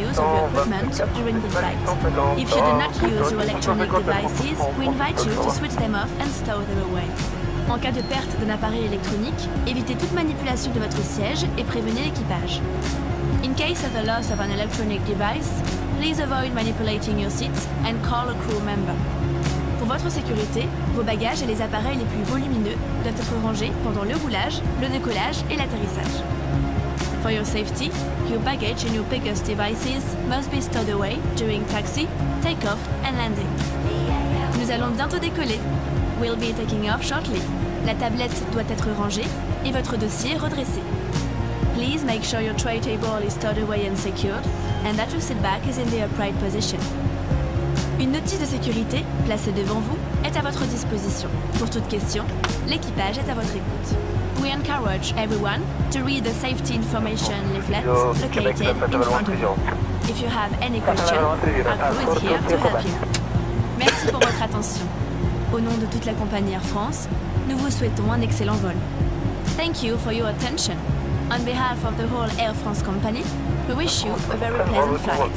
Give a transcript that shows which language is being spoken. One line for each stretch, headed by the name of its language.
English: If you do not use your electronic devices, we invite you to switch them off and store them away.
French: En cas de perte d'un appareil électronique, évitez toute manipulation de votre siège et prévenez l'équipage.
English: In case of a loss of an electronic device, please avoid manipulating your seat and call a crew member.
French: Pour votre sécurité, vos bagages et les appareils les plus volumineux doivent être rangés pendant le roulage, le décollage et l'atterrissage.
English: For your safety, your baggage and your biggest devices must be stored away during taxi, take-off and landing.
French: Nous allons bientôt décoller.
English: We'll be taking off shortly.
French: La tablette doit être rangée et votre dossier redressé.
English: Please make sure your tray table is stored away and secured and that your seat back is in the upright position.
French: Une notice de sécurité, placée devant vous, est à votre disposition. Pour toute question, l'équipage est à votre écoute.
English: We encourage everyone to read the safety information leaflet located in front of you. If you have any questions, our crew is here to help you.
French: Merci pour votre attention. Au nom de toute la compagnie Air France, nous vous souhaitons un excellent vol.
English: Thank you for your attention. On behalf of the whole Air France company, we wish you a very pleasant flight.